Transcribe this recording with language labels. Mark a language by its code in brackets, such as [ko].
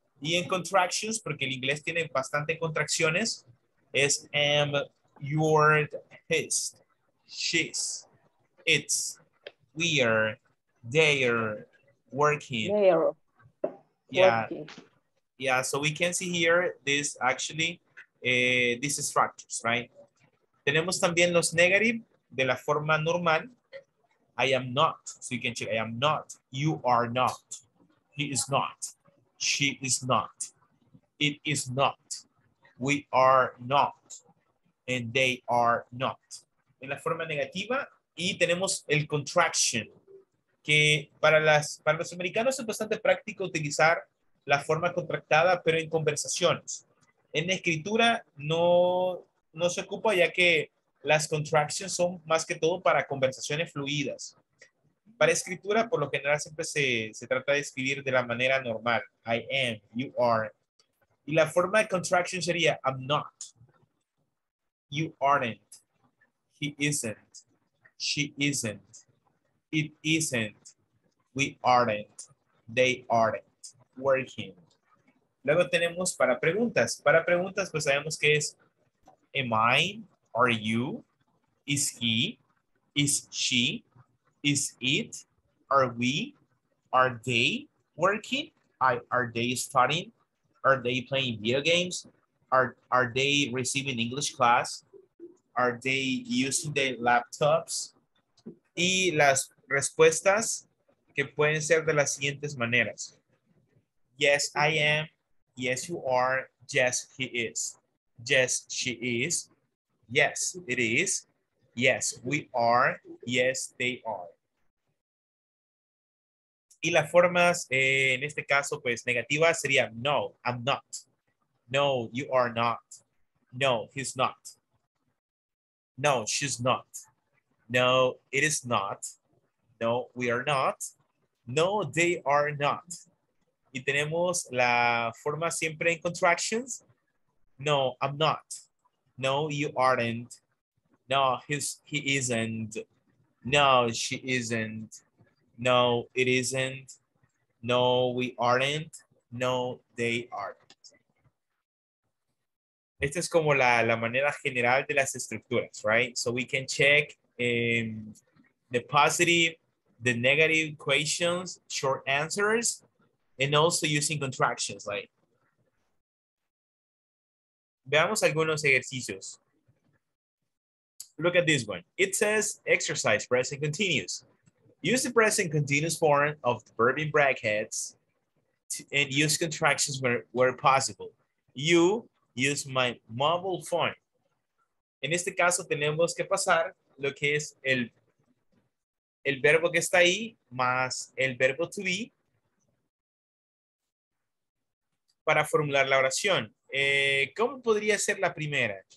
[es] Y en contractions, porque el inglés tiene bastante contracciones, es [en] am, your, his, she's. It's, we are, they are, working. They are yeah. Working. Yeah, so we can see here, this actually, this is structures, right? [es] Tenemos también los negative de la forma normal. [en] I am not, so you can check, I am not, you are not, he is not, she is not, it is not, we are not, and they are not. [es] En la forma negativa. Y tenemos el contraction, que para los americanos es bastante práctico utilizar la forma contractada, pero en conversaciones. En escritura no se ocupa, ya que las contractions son más que todo para conversaciones fluidas. Para escritura, por lo general, siempre se trata de escribir de la manera normal. [en] I am, you are. [es] Y la forma de contraction sería [en] I'm not, you aren't, he isn't, she isn't, it isn't, we aren't, they aren't, working. [es] Luego tenemos para preguntas. Para preguntas, pues sabemos que es [en] am I, are you, is he, is she, is it, are we, are they working, are they studying, are they playing video games, are they receiving English class, are they using their laptops. [es] Y las respuestas que pueden ser de las siguientes maneras. [en] Yes, I am. Yes, you are. Yes, he is. Yes, she is. Yes, it is. Yes, we are. Yes, they are. [es] Y las formas, en este caso, pues, negativas serían [en] no, I'm not. No, you are not. No, he's not. No, she's not. No, it is not. No, we are not. No, they are not. [es] Y tenemos la forma siempre en contractions. [en] No, I'm not. No, you aren't. No, he isn't. No, she isn't. No, it isn't. No, we aren't. No, they aren't. [es] Esta es como la, la manera general de las estructuras, right? [en] So we can check the positive, the negative questions, short answers, and also using contractions, right? [es] Veamos algunos ejercicios. [en] Look at this one. It says exercise present continuous. Use the present continuous form of the verb in brackets and use contractions where possible. You use my mobile phone. [es] En este caso tenemos que pasar lo que es el, el verbo que está ahí más el verbo to be para formular la oración. ¿Cómo podría ser la primera?